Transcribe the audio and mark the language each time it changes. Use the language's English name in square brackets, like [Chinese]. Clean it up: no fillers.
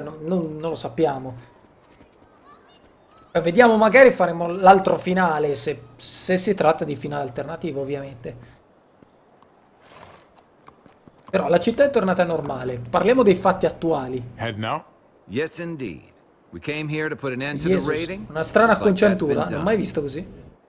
[Italian] Non lo sappiamo. Ma vediamo, magari faremo l'altro finale, se si tratta di finale alternativo, ovviamente. Però la città è tornata normale. Parliamo dei fatti attuali. [English] Head now? Yes indeed. We came here to put an end to the raiding. [Italian] Una strana acconciatura, non mai visto così.